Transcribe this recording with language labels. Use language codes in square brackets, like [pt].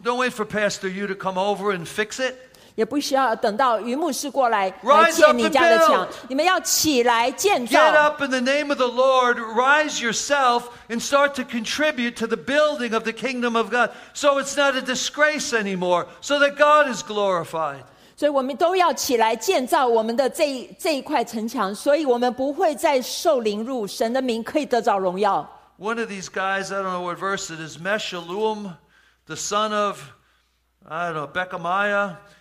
[en] Don't wait for Pastor Yu to come over and fix it [zh] 也不需要等到榆木师过来来建你家的墙，你们要起来建造。 [en] Get up in the name of the Lord, rise yourself and start to contribute to the building of the kingdom of God, so it's not a disgrace anymore, so that God is glorified. [zh] 所以我们都要起来建造我们的这一块城墙，所以我们不会再受凌辱，神的名可以得着荣耀。 [en] One of these guys, I don't know what verse it is, Meshulam, the son of, I don't know, Bechemiah.